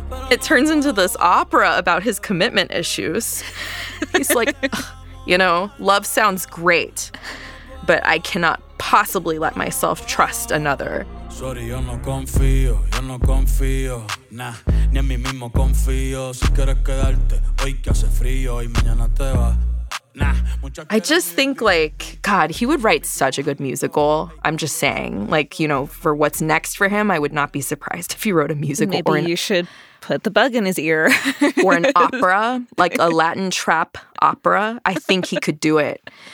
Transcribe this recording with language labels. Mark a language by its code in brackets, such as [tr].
[en] It turns into this opera about his commitment issues. He's like, you know, love sounds great, but I cannot possibly let myself trust another. [es] Sorry, yo no confío, yo no confío, nah, ni en mí mismo confío. Si quieres quedarte hoy que hace frío y mañana te va. [en] I just think, like, God, he would write such a good musical. I'm just saying, like, you know, for what's next for him, I would not be surprised if he wrote a musical. Maybe you should put the bug in his ear. Or an opera, like a Latin trap opera. I think he could do it.